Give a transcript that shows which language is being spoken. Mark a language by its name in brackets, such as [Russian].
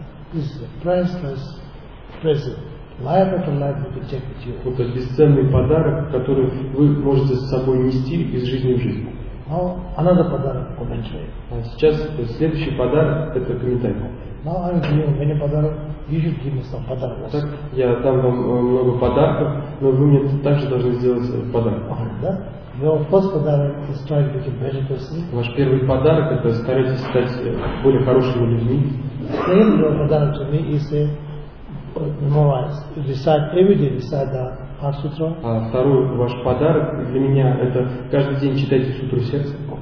[English] This is a priceless present. Life after life will be taken to you. [Russian] Это бесценный подарок, который вы можете с собой нести из жизни в жизнь. [English] Now another подарок commentary. [Russian] Сейчас следующий подарок это комментарий. [English] Now I'm giving many подарок. You should give me some подарок. [Russian] Так, я дам вам много подарков, но вы мне также должны сделать подарок. Да? [English] Your first подарок is try to be a better person. [Russian] Ваш первый подарок это старайтесь стать более хорошими людьми. [English] Same your подарок to me is to memorize, recite every day, recite the Heart Sutra. [Russian] А второй ваш подарок для меня это каждый день читайте сутру сердца.